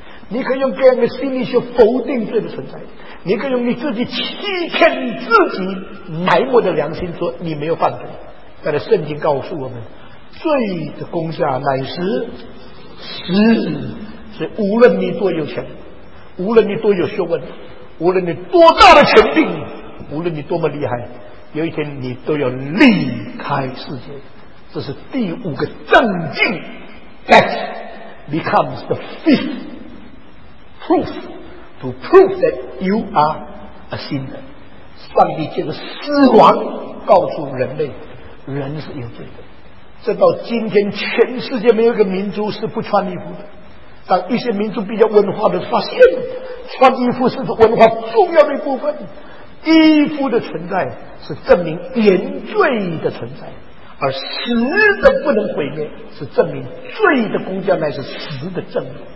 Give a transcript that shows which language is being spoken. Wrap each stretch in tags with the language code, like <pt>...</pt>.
<zh>你可以用各样的心理学否定罪的存在，你可以用你自己欺骗自己埋没的良心说你没有犯罪，但是圣经告诉我们，罪的工价乃是死。所以无论你多有钱，无论你多有学问，无论你多大的权柄，无论你多么厉害，有一天你都要离开世界。这是第五个正境。</zh> <en>That becomes the fifth proof to prove that you are a sinner。</en> <zh>上帝借着死亡告诉人类，人是有罪的。这到今天全世界没有一个民族是不穿衣服的，但一些民族比较文化的发现，穿衣服是文化重要的一部分。衣服的存在是证明原罪的存在，而死的不能毁灭是证明罪的公家乃是死的证明。</zh>